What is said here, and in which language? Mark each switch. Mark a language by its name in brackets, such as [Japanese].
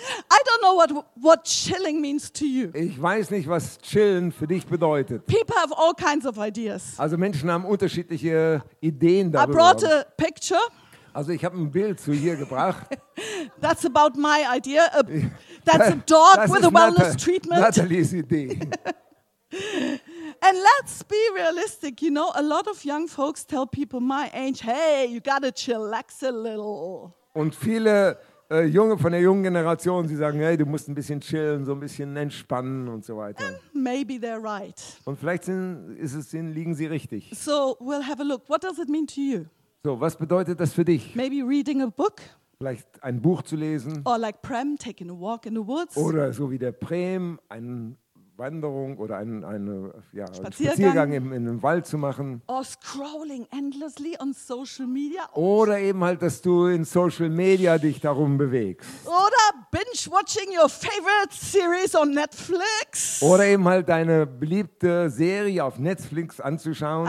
[English] I don't know what chilling means to you. [German] Ich weiß nicht, was chillen für dich bedeutet. [English] People have all kinds of ideas. [German] Also Menschen haben unterschiedliche Ideen darüber. [English] I brought a picture. [German] Also ich habe ein Bild zu hier gebracht. [English] That's about my idea. That's a dog with a wellness treatment. [German] Natalie's Idee. [English] And let's be realistic. You know, a lot of young folks tell people my age, hey, you gotta chillax a little. [German] Und viele Junge von der jungen Generation, sie sagen, hey, du musst ein bisschen chillen, so ein bisschen entspannen und so weiter. [English] And maybe they're right. [German] Und vielleicht liegen sie richtig. [English] So, we'll have a look. What does it mean to you? [German] So, was bedeutet das für dich? [English] Maybe reading a book. [German] Vielleicht ein Buch zu lesen. [English] Or like Prem, taking a walk in the woods. [German] Oder so wie der Prem, eine Wanderung oder einen Spaziergang in den Wald zu machen. [English] Or scrolling endlessly on social media. [German] Oder eben halt, dass du in Social Media dich darum bewegst. Oder [English] binge-watching your favorite series on Netflix. [German] Oder eben halt deine beliebte Serie auf Netflix anzuschauen.